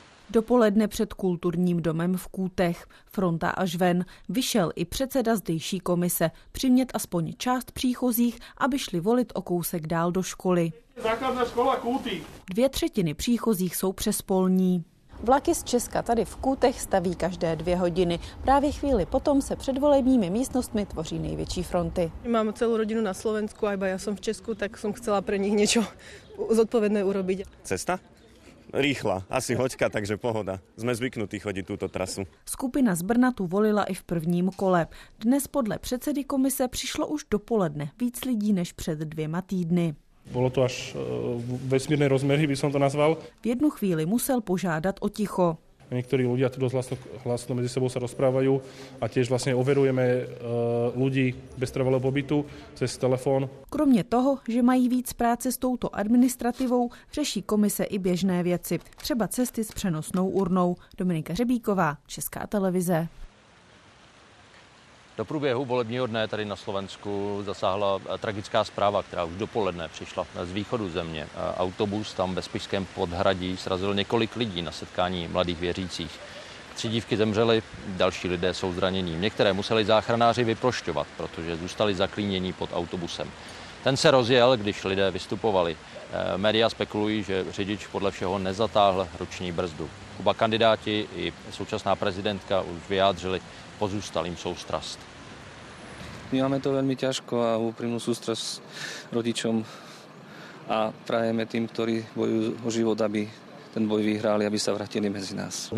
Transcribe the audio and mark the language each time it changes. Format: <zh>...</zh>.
<cs>Dopoledne před kulturním domem v Kútech, fronta až ven, vyšel i předseda zdejší komise přimět aspoň část příchozích, aby šli volit o kousek dál do školy.</cs> <sk>Základná škola Kúty.</sk> <cs>Dvě třetiny příchozích jsou přespolní. Vlaky z Česka tady v Kútech staví každé 2 hodiny. Právě chvíli potom se před volebními místnostmi tvoří největší fronty.</cs> <sk>Mám celou rodinu na Slovensku, a iba ja som v Česku, tak som chcela pre nich niečo zodpovedné urobiť. Cesta? Rýchla, asi hoďka, takže pohoda. Sme zvyknutí chodiť túto trasu.</sk> <cs>Skupina z Brna tu volila i v prvním kole. Dnes podle předsedy komise přišlo už dopoledne víc lidí než před 2 týdny.</cs> <sk>Bolo to až vesmírne rozmery, by som to nazval.</sk> <cs>V jednu chvíli musel požádať o ticho.</cs> <sk>Niektorí ľudia tu dosť hlasno medzi sebou sa rozprávajú a tiež vlastne overujeme ľudí bez trvalého pobytu cez telefón.</sk> <cs>Kromě toho, že mají víc práce s touto administratívou, řeší komise i biežné veci, třeba cesty s přenosnou urnou. Dominika Hřebíková, Česká televize. Do průběhu volebního dne tady na Slovensku zasáhla tragická zpráva, která už dopoledne přišla z východu země. Autobus tam ve Spišském Podhradí srazil několik lidí na setkání mladých věřících. 3 dívky zemřely, další lidé jsou zranění. Některé museli záchranáři vyprošťovat, protože zůstali zaklínění pod autobusem. Ten se rozjel, když lidé vystupovali. Média spekulují, že řidič podle všeho nezatáhl ruční brzdu. Oba kandidáti i současná prezidentka už vyjádřili pozůstalým soustrast.</cs> <sk>My máme to veľmi ťažko a úprimnú sústrasť rodičom a prajeme tým, ktorí bojujú o život, aby ten boj vyhrali, aby sa vrátili medzi nás.</sk>